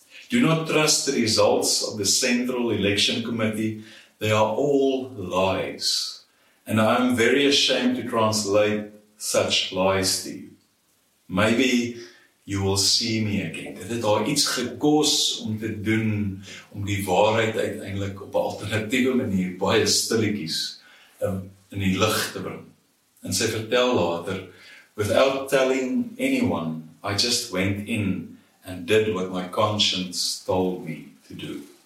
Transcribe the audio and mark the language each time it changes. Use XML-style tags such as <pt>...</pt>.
<en>Do not trust the results of the Central Election Committee. They are all lies, and I am very ashamed to translate such lies to you. Maybe you will see me again.</en> <af>Dit het daar iets gekos om te doen, om die waarheid uiteindelik op 'n alternatiewe manier, baie stilletjies, in die lig te bring. En sy vertel later,</af> <en>without telling anyone, I just went in and did what my conscience told me to do.</en>